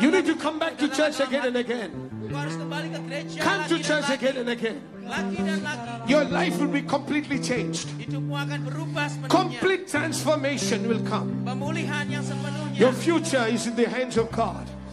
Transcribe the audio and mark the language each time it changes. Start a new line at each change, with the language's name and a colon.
English: You need to come back to church again and again.
Indonesian: Kau harus kembali ke gereja.
English: Come to church again and again.
Indonesian: Lagi dan lagi.
English: Your life will be completely changed.
Indonesian: Hidupmu akan berubah sepenuhnya.
English: Complete transformation will come.
Indonesian: Pemulihan yang sepenuhnya.
English: Your future is in the hands of God.